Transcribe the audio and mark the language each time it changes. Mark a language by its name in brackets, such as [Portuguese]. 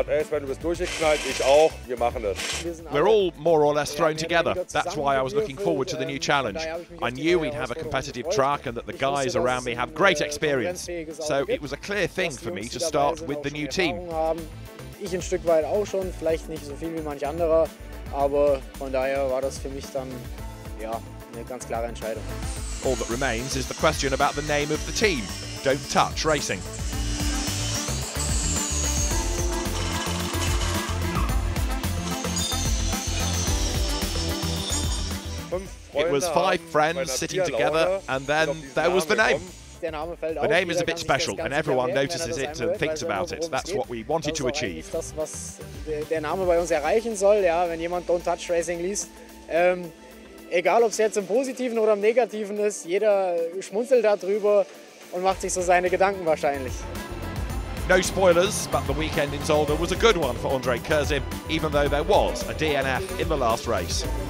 [English] We're all more or less thrown together. That's why I was looking forward to the new challenge. I knew we'd have a competitive track and that the guys around me have great experience. So it was a clear thing for me to start with the new team. [German] Ich ein Stück weit auch schon, vielleicht nicht so viel wie manch anderer. Aber von daher war das für mich dann ja eine ganz klare Entscheidung. [English] All that remains is the question about the name of the team, Don't Touch Racing. It was five friends sitting together and then there was the name. The name is a bit special and everyone notices it and thinks about it. That's what we wanted to achieve. [German] Das ist das, was der Name bei uns erreichen soll, ja, wenn jemand Don't Touch Racing liest. Egal, ob es jetzt im Positiven oder im Negativen ist, jeder schmunzelt darüber und macht sich so seine Gedanken wahrscheinlich. [English] No spoilers, but the weekend in Zolder was a good one for Andre Kurzim, even though there was a DNF in the last race.